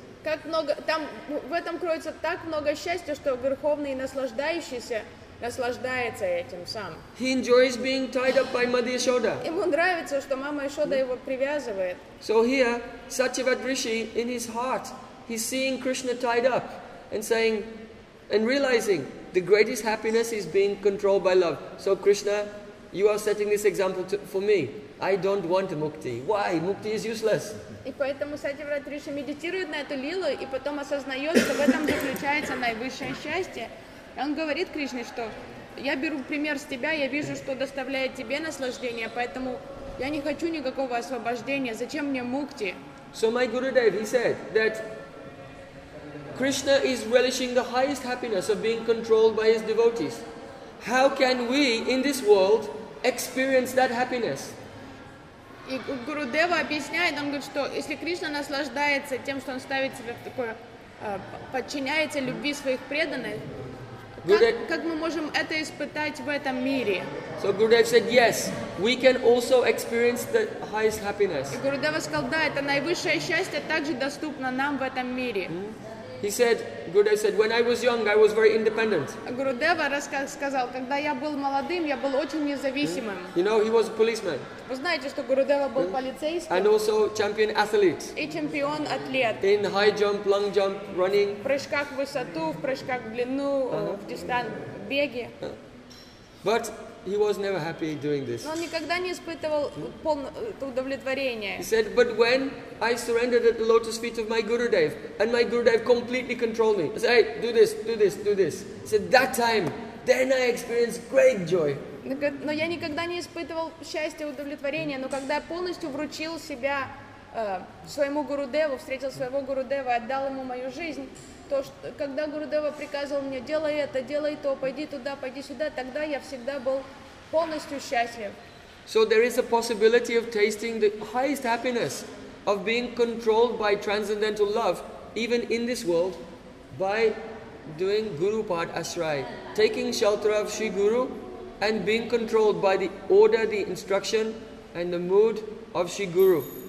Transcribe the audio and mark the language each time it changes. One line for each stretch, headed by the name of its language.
Russian: Как много там в этом кроется так много счастья, что верховный наслаждающийся наслаждается этим сам.
English: He enjoys being tied up by Mother Yashoda.
Russian: Ему нравится, что мама Ишода его привязывает.
English: So here, Satyavad Rishi, in his heart, he's seeing Krishna tied up and saying, and realizing the greatest happiness is being controlled by love. So Krishna, you are setting this example for me. I don't want mukti. Why? Mukti is useless.
Russian: И поэтому Сатьявад Риши медитирует на эту лилу и потом осознает, что в этом заключается наивысшее счастье. Он говорит Кришне, что я беру пример с тебя, я вижу, что доставляет тебе наслаждение, поэтому я не хочу никакого освобождения. Зачем мне мукти?
English: So my Gurudev, he said that Krishna is relishing the highest happiness of being controlled by his devotees. How can we in this world experience that happiness?
Russian: И Гурудева объясняет, он говорит, что если Кришна наслаждается тем, что он ставит себя в такое, подчиняется любви своих преданных, как мы можем это испытать в этом мире?
English: So Gurudev said, yes, we can also experience the highest happiness.
Russian: И Гурудева сказал, да, это наивысшее счастье также доступно нам в этом мире.
English: He said, Gurudev said, when I was young, I was very independent.
Russian: Гурудева сказал, когда я был молодым, я был очень независимым.
English: You know, he was a policeman.
Russian: Вы знаете, что Гурудева был полицейским.
English: And also champion athlete.
Russian: И чемпион атлет.
English: In high jump, long jump, running.
Russian: В прыжках в высоту, в прыжках в длину, в беге.
English: But he was never happy doing this.
Russian: Но он никогда не испытывал полное удовлетворение.
English: He said, but when I surrendered at the lotus feet of my Gurudev, and my Gurudev completely controlled me. I said, hey, do this, do this, do this. He said, that time, then I experienced great joy.
Russian: Но я никогда не испытывал счастья и удовлетворения, но когда я полностью вручил себя своему Гурудеву, встретил своего Гурудева и отдал ему мою жизнь, то, что, когда Гурудева приказывал мне, делай это, делай то, пойди туда, пойди сюда, тогда я всегда был полностью счастлив.
English: So there is a possibility of tasting the highest happiness of being controlled by transcendental love, even in this world, by doing Gurupad Ashray, taking shelter of Sri Guru, and being controlled by the order, the instruction, and the mood of Sri Guru.